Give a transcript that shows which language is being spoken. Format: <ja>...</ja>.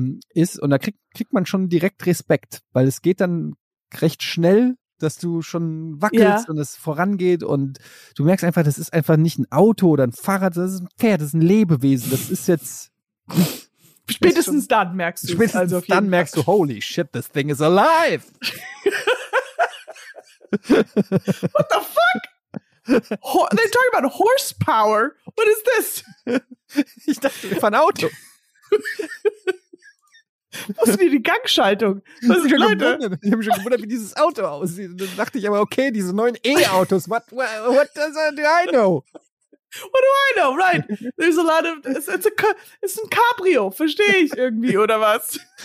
<de>ist und da kriegt man schon direkt Respekt, weil es geht dann recht schnell, dass du schon wackelst und es vorangeht und du merkst einfach, das ist einfach nicht ein Auto oder ein Fahrrad, das ist ein Pferd, das ist ein Lebewesen, das ist jetzt Spätestens dann merkst du,</de> <en>holy shit, this thing is alive! What the fuck? They're talking about horsepower? What is this?</en> <de>Ich dachte, wir fahren Auto. Was ist denn die Gangschaltung? Ich habe schon gewundert, wie dieses Auto aussieht. Und dann dachte ich aber, okay, diese neuen E-Autos,</de> <en>what do I know? What do I know, right? There's a lot of, it's</en> <de>ein Cabrio, verstehe ich irgendwie, oder was?</de>